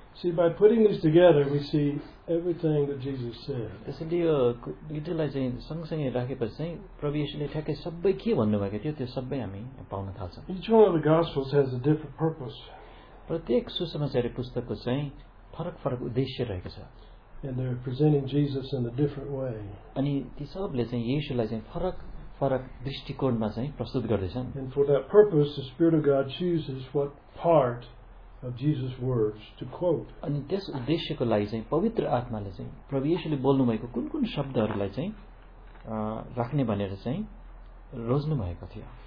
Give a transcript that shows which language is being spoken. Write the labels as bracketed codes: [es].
[en] See, by putting this together, we see everything that Jesus said. [ne] त्यसैले यो गीतलाई चाहिँ सँगसँगै राखेपछि चाहिँ प्रभु यीशुले ठ्याक्कै सबै के भन्नुभएको थियो त्यो सबै हामी पाउन थाल्छौँ. [en] Each one of the Gospels has a different purpose. [ne] प्रत्येक सुसमाचार पुस्तकको चाहिँ फरक फरक उद्देश्य रहेको छ. [en] And they're presenting Jesus in a different way. [ne] अनि ती सबले चाहिँ यीशुलाई चाहिँ फरक फरक दृष्टिकोणमा चाहिँ प्रस्तुत गर्दैछन्. [en] And for that purpose, the Spirit of God chooses what part of Jesus' words to quote. [ne] अनि त्यस उद्देश्यको लागि चाहिँ पवित्र आत्माले चाहिँ प्रभु येशूले बोल्नु भएको कुन-कुन शब्दहरूलाई चाहिँ राख्ने भनेर चाहिँ रोज्नु भएको थियो.